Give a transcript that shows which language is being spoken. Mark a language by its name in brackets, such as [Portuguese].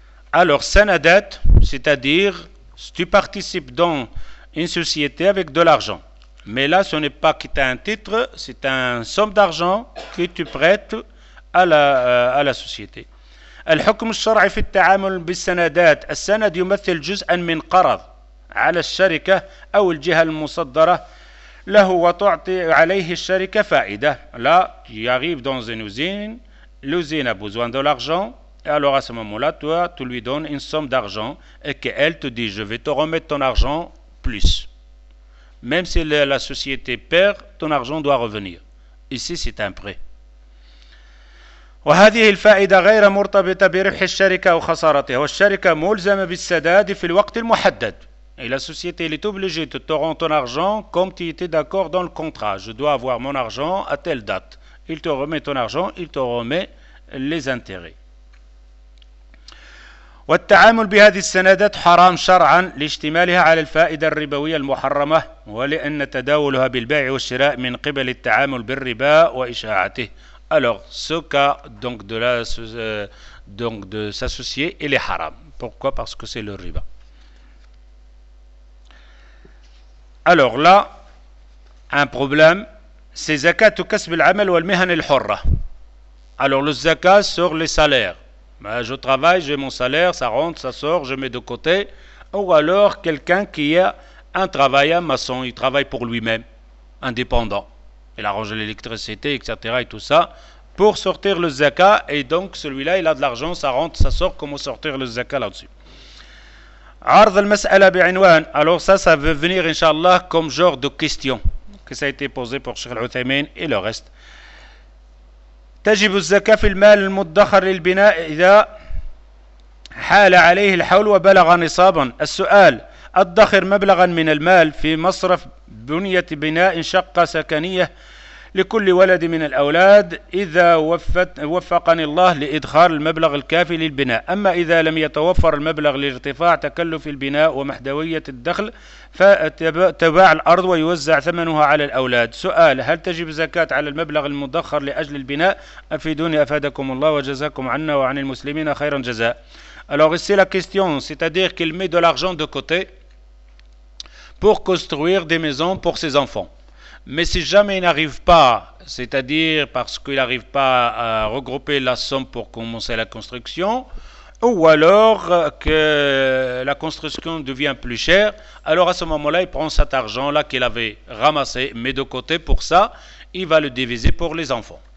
[French] Alors, [Arabic] sanadat, [French] c'est-à-dire, si tu participes dans une société avec de l'argent. Mais là, ce n'est pas que tu as un titre, c'est une somme d'argent que tu prêtes à la société. [Arabic] الحكم الشرعي في التعامل بالسندات السند يمثل جزءا من قرض على الشركة أو الجهة المصدرة له وتعطي عليه الشركة فائدة. [French] Là, tu arrives dans une usine, l'usine a besoin de l'argent, et alors à ce moment-là, toi, tu lui donnes une somme d'argent et qu'elle te dit, je vais te remettre ton argent plus. Même si la société perd, ton argent doit revenir. Ici, c'est un prêt. [Arabic] وهذه الفائدة غير مرتبطة بربح الشركة أو خسارتها. والشركة ملزمة بالسداد في الوقت المحدد. [French] Et la société elle est obligée de te rendre ton argent comme tu étais d'accord dans le contrat. Je dois avoir mon argent à telle date. Il te remet ton argent, il te remet les intérêts. [Arabic] والتعامل بهذه السندات حرام شرعا لاشتمالها على الفائدة الربوية المحرمة ولأن تداولها بالبيع والشراء من قبل التعامل بالربا وإشاعته. [French] Alors, ce cas donc de s'associer, il est haram. Pourquoi? Parce que c'est le riba. Alors là, un problème, c'est zakat ou [Arabic] kasb al-amal ou al-mihan al-hurra. [French] Alors le zakat sur les salaires. Ben, je travaille, j'ai mon salaire, ça rentre, ça sort, je mets de côté. Ou alors quelqu'un qui a un travail, un maçon, il travaille pour lui-même, indépendant. Il arrange l'électricité, etc. et tout ça, pour sortir le zakat. Et donc, celui-là, il a de l'argent, ça rentre, ça sort, comment sortir le zakat là-dessus. [Arabic] عرض المسألة بعنوان. [French] Alors ça, ça veut venir, inshallah, comme genre de question que ça a été posé pour Cheikh Al-Uthaymin et le reste. [Arabic] تجب الزكاة في المال المدخر للبناء إذا حال عليه الحول وبلغ نصابا. السؤال, أدخر مبلغا من المال في مصرف بنية بناء شقة سكنية لكل ولد من الأولاد إذا وفقني الله لإدخار المبلغ الكافي للبناء. أما إذا لم يتوفر المبلغ لارتفاع تكلف البناء ومحدودية الدخل فتباع الأرض ويوزع ثمنها على الأولاد. سؤال, هل تجب زكاة على المبلغ المدخر لأجل البناء؟ أفيدوني أفادكم الله وجزاكم عنا وعن المسلمين خيرا جزاء. [French] Alors ici la question, c'est-à-dire qu'il met de l'argent de côté pour construire des maisons pour ses enfants. Mais si jamais il n'arrive pas, c'est-à-dire parce qu'il n'arrive pas à regrouper la somme pour commencer la construction, ou alors que la construction devient plus chère, alors à ce moment-là, il prend cet argent-là qu'il avait ramassé, mis de côté pour ça, il va le diviser pour les enfants.